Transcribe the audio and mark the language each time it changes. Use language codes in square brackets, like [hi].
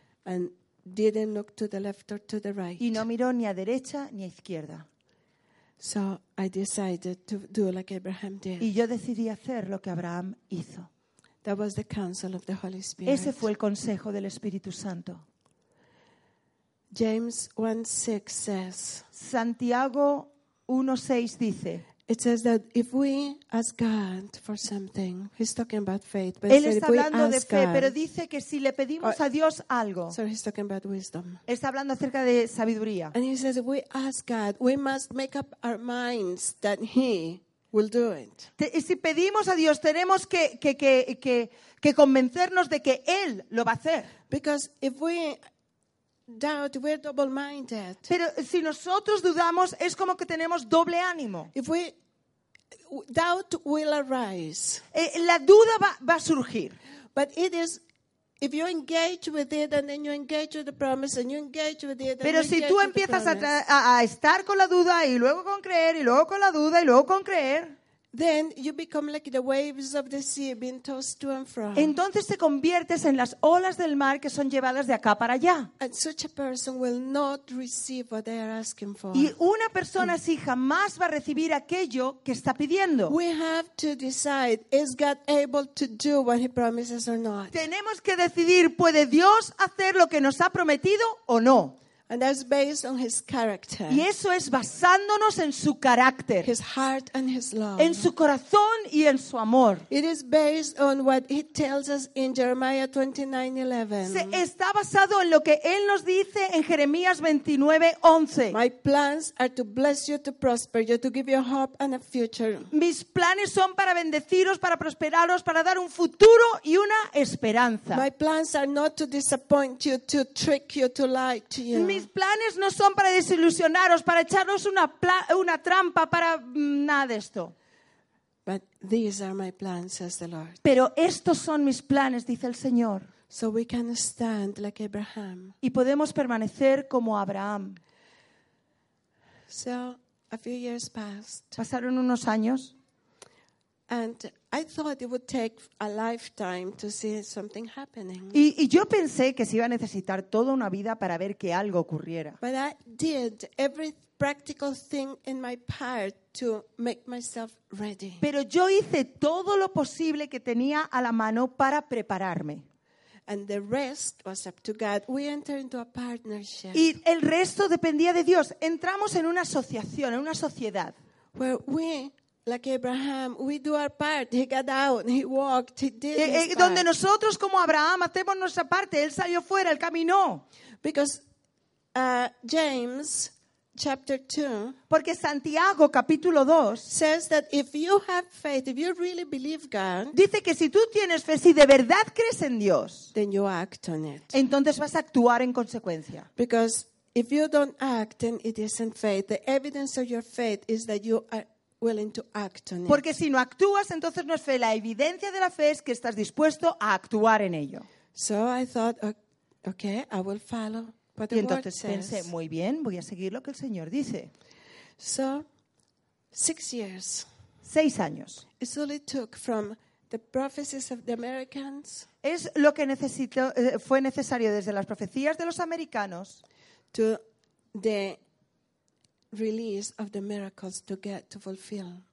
[en] And didn't look to the left or to the right. [es] Y no miró ni a derecha ni a izquierda. [en] So I decided to do like Abraham did. [es] Y yo decidí hacer lo que Abraham hizo. [en] That was the counsel of the Holy Spirit. [es] Ese fue el consejo del Espíritu Santo. [en] James 1:6 says. [es] Santiago 1:6 dice. [en] It says that if we ask God for something, he's talking about faith. But [es] él está hablando de fe, pero dice que si le pedimos a Dios algo, [en] so he's talking about wisdom. [es] Está hablando acerca de sabiduría. [en] And he says, if we ask God, we must make up our minds that he will do it. [es] Y si pedimos a Dios, tenemos que convencernos de que él lo va a hacer. [en] Because if we doubt, we're double-minded. [es] Pero si nosotros dudamos, es como que tenemos doble ánimo. [en] If we doubt, will arise. [es] La duda va a surgir. [en] But it is, if you engage with it and then you engage with the promise and you engage with it. And [es] pero [en] you [es] si tú empiezas a estar con la duda y luego con creer y luego con la duda y luego con creer. [en] Then you become like the waves of the sea being tossed to and fro. [es] Entonces te conviertes en las olas del mar que son llevadas de acá para allá. [en] And such a person will not receive what they are asking for. [es] Y una persona así jamás va a recibir aquello que está pidiendo. [en] We have to decide, is God able to do what he promises or not? [es] Tenemos que decidir, ¿puede Dios hacer lo que nos ha prometido o no? [en] And that's based on his character. [es] Y eso es basándonos en su carácter. [en] His heart and his love. [es] En su corazón y en su amor. [en] It is based on what he tells us in Jeremiah 29:11. [es] Está basado en lo que él nos dice en Jeremías 29:11. [en] My plans are to bless you, to prosper you, to give you hope and a future. [es] Mis planes son para bendeciros, para prosperaros, para dar un futuro y una esperanza. [en] My plans are not to disappoint you, to trick you, to lie to you. [es] Mis planes no son para desilusionaros, para echaros una trampa, para nada de esto. [en] But these are my plans, says the Lord. [es] Pero estos son mis planes, dice el Señor. [en] So we can stand like Abraham. [es] Y podemos permanecer como Abraham. [en] So a few years passed. [es] Pasaron unos años. [en] And I thought it would take a lifetime to see something happening. [es] Y yo pensé que se iba a necesitar toda una vida para ver que algo ocurriera. [en] But I did every practical thing in my power to make myself ready. [es] Pero yo hice todo lo posible que tenía a la mano para prepararme. [en] And the rest was up to God. We enter into a partnership. [es] Y el resto dependía de Dios. Entramos en una asociación, en una sociedad. [en] Where we, like Abraham, we do our part. He got out, he walked, he did his part. [es] Donde nosotros como Abraham hacemos nuestra parte, él salió fuera, él caminó. [en] Because James chapter 2. [es] Porque Santiago capítulo 2 [en] says that if you have faith, if you really believe God, [es] dice que si tú tienes fe, si de verdad crees en Dios, [en] then you act on it. [es] Entonces vas a actuar en consecuencia. [en] Because if you don't act, then it isn't faith. The evidence of your faith is that you are willing to act on it. [es] Porque si no actúas, entonces no es fe. La evidencia de la fe es que estás dispuesto a actuar en ello. [en] So I thought, okay, I will follow. But [es] y entonces pensé, muy bien, voy a seguir lo que el Señor dice. [en] So, 6 years. [es] 6 años. [en] It only took from the prophecies of the Americans. [es] Es lo que necesitó, fue necesario desde las profecías de los americanos. [en] To the release of the miracles to get to fulfill.